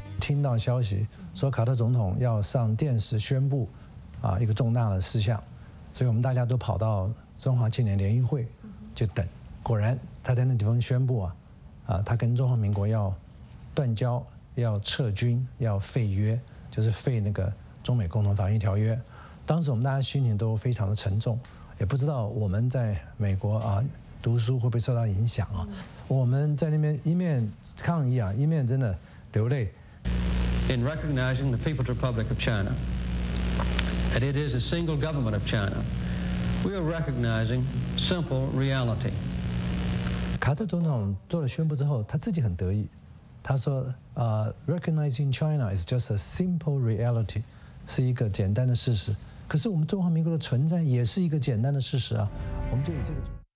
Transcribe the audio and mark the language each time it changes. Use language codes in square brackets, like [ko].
[zh] 听到消息说卡特总统要上电视宣布一个重大的事项，所以我们大家都跑到中华青年联谊会就等，果然他在那地方宣布他跟中华民国要断交，要撤军，要废约，就是废那个中美共同防御条约。当时我们大家心情都非常的沉重，也不知道我们在美国读书会不会受到影响我们在那边一面抗议一面真的流泪。 [en] In recognizing the People's Republic of China, that it is a single government of China, we are recognizing simple reality. [zh] 卡特总统做了宣布之后，他自己很得意，他说 [en] recognizing China is just a simple reality. [zh] 是一个简单的事实，可是我们中华民国的存在也是一个简单的事实我们就有这个主。